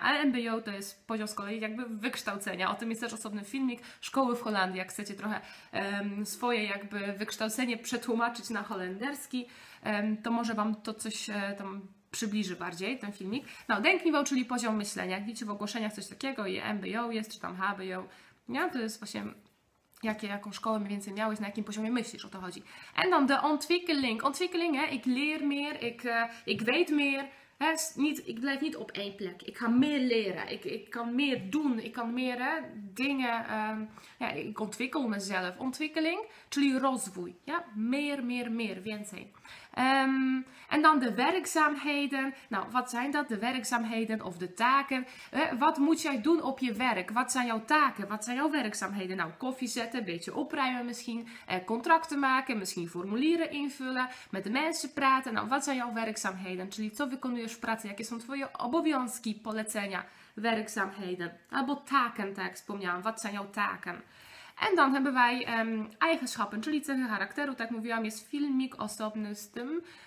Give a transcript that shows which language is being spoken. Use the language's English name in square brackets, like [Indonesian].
[Polish] A MBO to jest poziom z kolei jakby wykształcenia. O tym jest też osobny filmik szkoły w Holandii, jak chcecie trochę swoje jakby wykształcenie przetłumaczyć na holenderski, to może Wam to coś tam przybliży bardziej, ten filmik. No, denkniveau, czyli poziom myślenia. Jak widzicie w ogłoszeniach coś takiego i MBO jest, czy tam HBO. Ja, to jest właśnie jaką szkołę mniej więcej miałeś, na jakim poziomie myślisz, o to chodzi. [Dutch] En dan de ontwikkeling. Ontwikkeling, hè? Ik leer meer, ik weet meer. Ik blijf niet op één plek. Ik ga meer leren. Ik kan meer doen. Ik kan meer dingen. Ik ontwikkel mezelf. Ontwikkeling. [Polish] Czyli rozwój. [Dutch] Ja? Meer. Więcej. En dan de werkzaamheden. Nou, wat zijn dat? De werkzaamheden of de taken. Wat moet jij doen op je werk? Wat zijn jouw taken? Wat zijn jouw werkzaamheden? Nou, koffie zetten. Een beetje opruimen misschien. Contracten maken. Misschien formulieren invullen. Met de mensen praten. Nou, wat zijn jouw werkzaamheden? [Polish] Czyli co wykonujesz w pracy? Jakie są twoje obowiązki, polecenia, werkzaamheden? Albo taken, tak jak wspomniałam. [Dutch] Wat zijn jouw taken? En dan hebben wij eigenschappen, [Polish] czyli cechy charakteru, tak mówiłam, jest filmik osobny z tym.